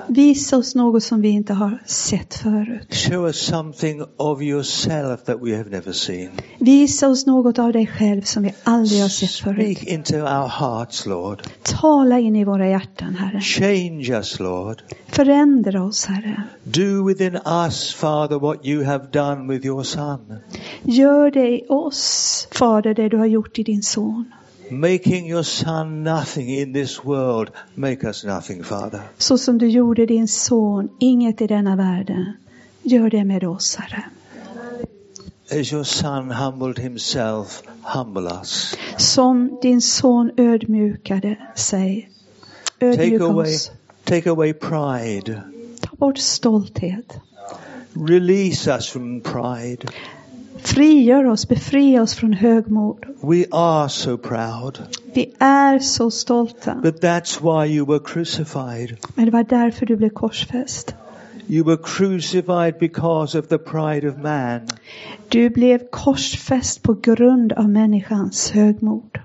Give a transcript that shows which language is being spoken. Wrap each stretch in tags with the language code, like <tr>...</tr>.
<sv>Visa oss något som vi inte har sett förut.</sv> <en>Show us something of yourself that we have never seen.</en> <sv>Visa oss något av dig själv som vi aldrig har sett förut.</sv> <en>Speak into our hearts, Lord.</en> <sv>Tala in i våra hjärtan, Herre.</sv> <en>Change us, Lord.</en> <sv>Förändra oss, Herre.</sv> <en>Do within us, Father, what you have done with your son.</en> <sv>Gör det i oss, Fader, det du har gjort i din son.</sv> <en>Making your son nothing in this world, make us nothing, Father.</en> <sv>Så som du gjorde din son inget i denna världen, gör det med oss, Herre.</sv> <en>As your son humbled himself, humble us.</en> <sv>Som din son ödmjukade sig, ödmjuk oss.</sv> <en>Take away pride.</en> <sv>Ta bort stolthet.</sv> <en>Release us from pride.</en> <sv>Frigör oss, befria oss från högmod.</sv> <en>We are so proud.</en> <sv>Vi är så stolta.</sv> <en>But that's why you were crucified.</en> <sv>Men det var därför du blev korsfäst.</sv> <en>You were crucified because of the pride of man.</en> <sv>Du blev korsfäst på grund av människans högmod.</sv>